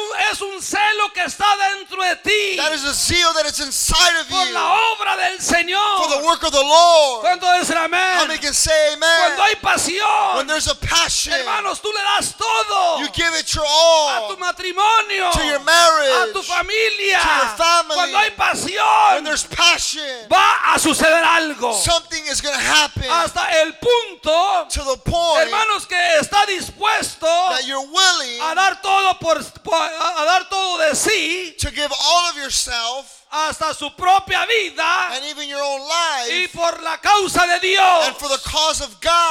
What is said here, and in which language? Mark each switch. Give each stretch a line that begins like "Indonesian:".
Spanish: Es un celo que está dentro de ti.
English: That is a zeal that is inside of
Spanish: por
English: you.
Spanish: La obra del Señor.
English: For the work of the Lord.
Spanish: ¿Cuánto decir amén?
English: How many can say amen?
Spanish: Cuando hay pasión.
English: When there's a passion.
Spanish: Hermanos, tú le das todo.
English: You give it your all.
Spanish: A tu matrimonio.
English: To your marriage.
Spanish: A tu familia.
English: To your family.
Spanish: Cuando hay pasión.
English: When there's passion,
Spanish: va a suceder algo.
English: Something is going to happen.
Spanish: Hasta el punto,
English: to the point,
Spanish: hermanos, que está dispuesto,
English: that you're willing,
Spanish: a dar todo por, a dar todo de sí,
English: to give all of yourself.
Spanish: Hasta su propia vida.
English: And even your own life.
Spanish: Y por la causa de Dios.
English: And for the cause of God.